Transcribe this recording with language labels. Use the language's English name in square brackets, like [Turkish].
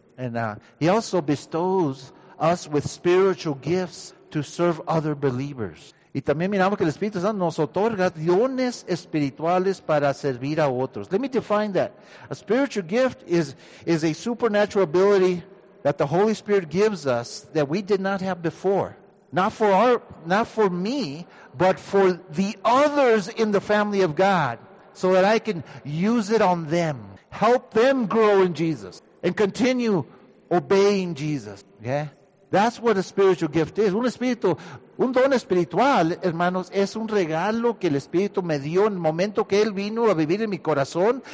[English] And He also bestows us with spiritual gifts to serve other believers. [Spanish] Y también miramos que el Espíritu Santo nos otorga dones espirituales para servir a otros. [English] Let me define that. A spiritual gift is a supernatural ability that the Holy Spirit gives us that we did not have before. Not for me, but for the others in the family of God, so that I can use it on them. Help them grow in Jesus and continue obeying Jesus. Yeah? That's what a spiritual gift is. [Spanish] Un don espiritual, hermanos, es un regalo que el Espíritu me dio en el momento que Él vino a vivir en mi corazón.